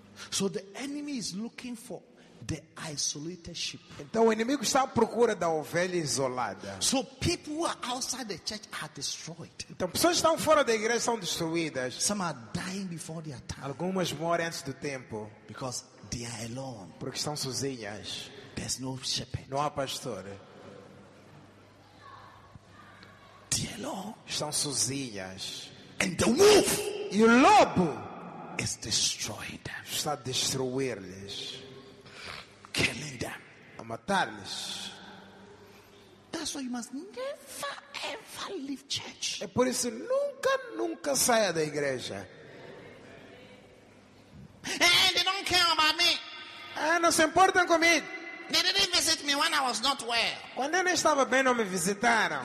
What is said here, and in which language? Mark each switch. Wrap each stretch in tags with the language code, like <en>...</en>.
<en>So the enemy is looking for the isolated sheep.</en> <pt>Então o inimigo está à procura da ovelha isolada.</pt> <en>So people who are outside the church are destroyed.</en> <pt>Então pessoas que estão fora da igreja são destruídas.</pt> <en>Some are dying before their time.</en> <pt>Algumas morrem antes do tempo.</pt> <en>Because they are alone.</en> <pt>Porque estão sozinhas.</pt> <en>There's no shepherd.</en> <pt>Não há pastor.</pt> <en>They are alone.</en> <pt>Estão sozinhas.</pt> <en>And the wolf.</en> <pt>E o lobo.</pt> <en>Is destroyed.</en> <pt>Está a destruir-lhes.</pt> <en>Killing them.</en> <pt>A matar-lhes.</pt> <en>That's why you must never ever leave church.</en> <pt>É por isso nunca, nunca saia da igreja.</pt> <en>And they don't care about me.</en> <pt>Ah, não se importam comigo.</pt> <en>They didn't visit me when I was not well.</en> <pt>Quando eu não estava bem, não me visitaram.</pt>